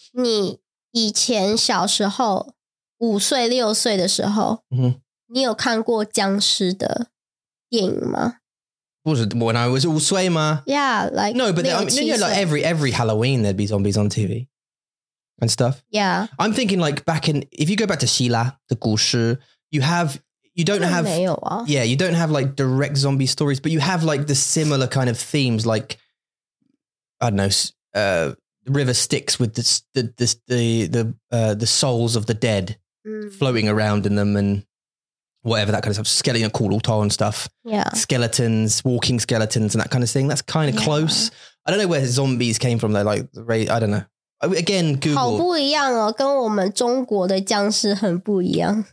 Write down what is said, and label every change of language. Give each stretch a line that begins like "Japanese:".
Chinese: 你以前小时候五岁六岁的时候、 mm-hmm. 你有看过僵尸的电影吗不是
English: when I was
Chinese: 五岁吗
English: Yeah, like, no, but I mean, you know, like every Halloween, there'd be zombies on TV and stuff. Yeah. I'm thinking like back in, if you go back to Sheila, the 故事 you have, you don't have,
Chinese: 没有啊
English: yeah, you don't have like direct zombie stories, but you have like the similar kind of themes, like, I don't know, River Styx with the souls of the dead floating around in them and whatever, that kind of stuff. Skeleton, Kuruto and stuff. Yeah. Skeletons, walking skeletons and that kind of thing. That's kind of close. I don't know where zombies came from. They're like, I don't know. Again, Google.
Chinese: 好不一样哦，跟我们中国的僵尸很不一样。